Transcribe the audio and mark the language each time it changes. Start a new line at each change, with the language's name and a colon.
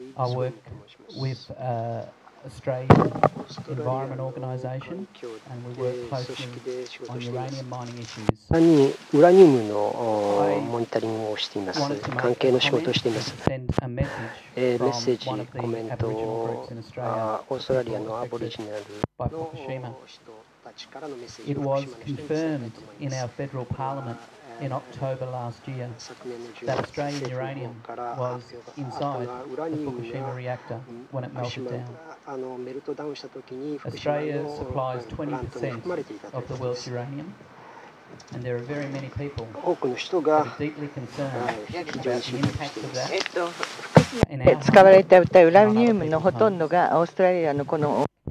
English: I work with Australian Environment Organization, and we work closely on uranium mining issues.
Japanese: ウラニウムのモニタリングをしています。関係の仕事をしています。メッセージ、コメントをオーストラリアのアボリジナルの人たちからのメッセージを示してみたいと思います。
English: In October last year, that Australian uranium was inside the Fukushima reactor when it melted down. Australia supplies 20% of the world's uranium, and there are very many people who are deeply concerned about the impact of that.
Japanese: 使われていたウラニウムのほとんどがオーストラリアのこの。